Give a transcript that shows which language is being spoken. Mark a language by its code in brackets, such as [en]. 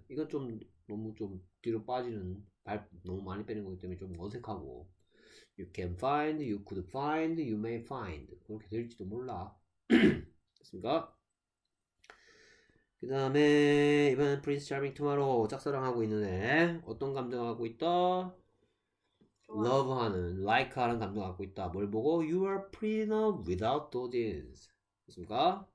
[ko] 이거 좀 너무 좀 뒤로 빠지는 발 너무 많이 빼는 거기 때문에 좀 어색하고. [en] You can find, you could find, you may find. [ko] 그렇게 될지도 몰라. 됐습니까? 그 다음에 이번엔 프린스 차밍 투마로우 짝사랑하고 있는 애 어떤 감정 갖고 있다? 좋아. love하는 like 하는 감정 갖고 있다 뭘 보고 [en] you are pretty enough without those jeans [ko] 됐습니까?